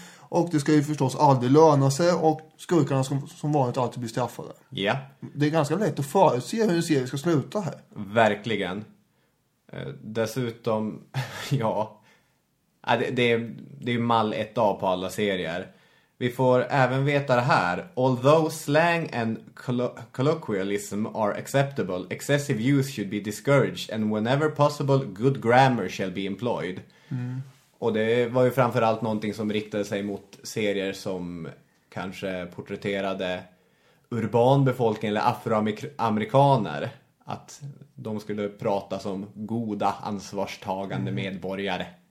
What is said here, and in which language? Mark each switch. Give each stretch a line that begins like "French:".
Swedish: Och det ska ju förstås aldrig löna sig och skurkarna ska som vanligt alltid bli straffade. Ja. Det är ganska lätt att förutse hur en serie ska sluta här. Verkligen. Dessutom, ja. Det är mall 1A på alla serier. Vi får även veta det här.
English: Although slang and colloquialism are acceptable, excessive use should be discouraged and whenever possible good grammar shall be employed. Mm.
Swedish: Och det var ju framförallt någonting som riktade sig mot serier som kanske porträtterade urban befolkning eller afroamerikaner. Att de skulle prata som goda, ansvarstagande medborgare.